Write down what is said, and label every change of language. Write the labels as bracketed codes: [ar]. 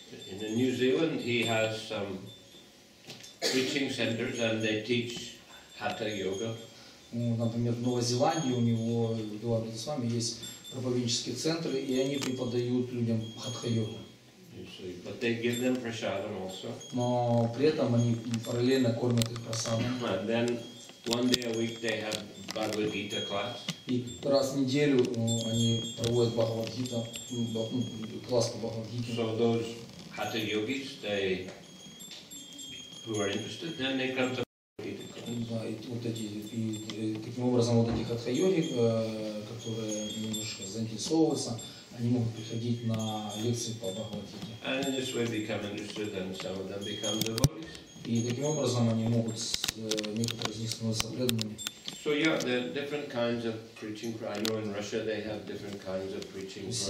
[en] In New Zealand, he has some preaching centers and they teach Hatha Yoga. [ru] Например, в Новой Зеландии у него, Дуарда Свами, есть проповеднические центры, и они преподают людям хатха-йогу. [en] But they give them prasadam also. [ru] Но при этом они параллельно кормят их прасадам. [en] And then one day a week they have Bhagavad Gita class. [ru] И раз в неделю они проводят Бхагавад-гита, класс по Бхагавад-гите. [en] So those Hatha yogis, they who are interested, then they come to Bhagavad-gita class. [ru] Да, и вот эти и таким образом вот эти хатха-йоги, которые немножко заинтересовываются, они могут приходить на лекции по Бхагавад-гите. [en] And in this way become interested, and some of them become devotees. [ru] И таким образом они могут некоторые из них становятся преданными. [en] So yeah, there are different kinds of preaching. I know in Russia they have different kinds of preaching programs.